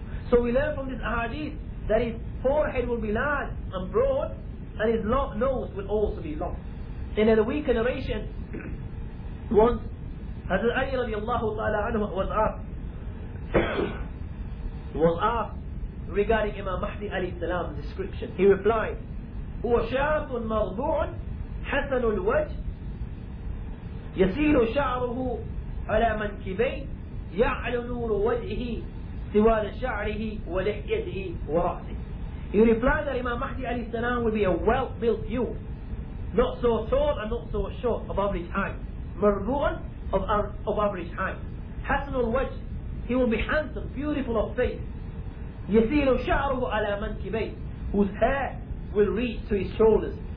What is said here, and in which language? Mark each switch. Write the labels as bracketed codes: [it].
[en] So we learn from this hadith that his forehead will be large and broad, and his nose will also be long. In a weak narration, once Hazrat Ali radiallahu ta'ala anhu was asked regarding Imam Mahdi alayhi salam's description. He replied, [ar] هو شاب مرضوع حسن الوجه يسيل شعره على منكبين يعلو نور وجهه سوال شعره ولحيته ورأسه. [en] He replied that Imam Mahdi alayhi salam will be a well-built youth, not so tall and not so short, of average height. مرضوعاً of average height. [ar] حسن الوجه, [en] he will be handsome, beautiful of face. [ar] يسيل شعره على منكبين, [en] whose hair will reach to his shoulders.